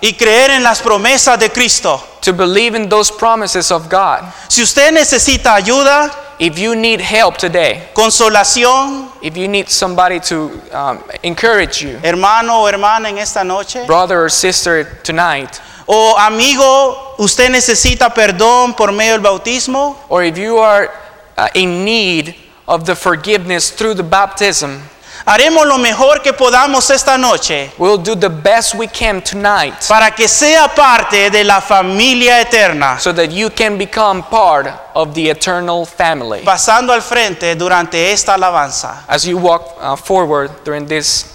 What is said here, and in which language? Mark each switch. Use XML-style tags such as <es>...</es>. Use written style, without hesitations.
<es>Y creer en las promesas de Cristo.</es> <en>To believe in those promises of God.</en> <es>Si usted necesita ayuda,</es> <en>if you need help today,</en> <es>consolación,</es> <en>if you need somebody to encourage you,</en> <es>hermano o hermana en esta noche,</es> <en>brother or sister tonight,</en> <es>o amigo, usted necesita perdón por medio del bautismo,</es> <en>or if you are in need of the forgiveness through the baptism,</en> <es>haremos lo mejor que podamos esta noche.</es> <en>We'll do the best we can tonight.</en> <es>Para que sea parte de la familia eterna.</es> <en>So that you can become part of the eternal family.</en> <es>Pasando al frente durante esta alabanza.</es> <en>As you walk forward during this</en>